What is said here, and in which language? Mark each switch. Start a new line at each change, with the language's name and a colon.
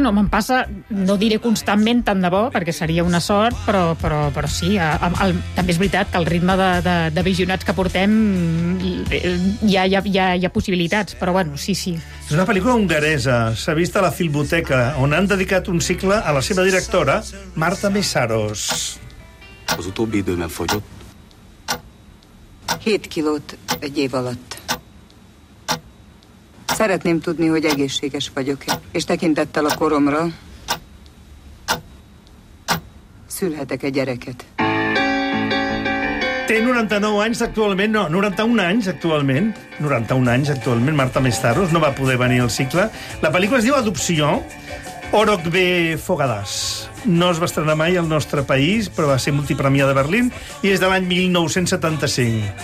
Catalan: No, me'n passa, no diré constantment, tant de bo, perquè seria una sort, però sí. També és veritat que el ritme de visionats que portem... Hi ha possibilitats, però bueno, sí, sí. És una pel·lícula hongaresa, s'ha vist a la Filmoteca, on han dedicat un cicle a la seva directora, Marta Mészáros.
Hungarian: Az utóbbi időben fogyott. 7 kilót egy év alatt. Szeretném tudni, hogy egészséges vagyok-e, és tekintettel a koromra szülhetek egy gyereket.
Catalan: Té 99 anys actualment, no, 91 anys actualment. 91 anys actualment, Marta Mészáros, no va poder venir al cicle. La pel·lícula es diu Adopció, Orokbe Fogadas. no es va estrenar mai al nostre país, però va ser multipremiada de Berlín, i és de l'any 1975.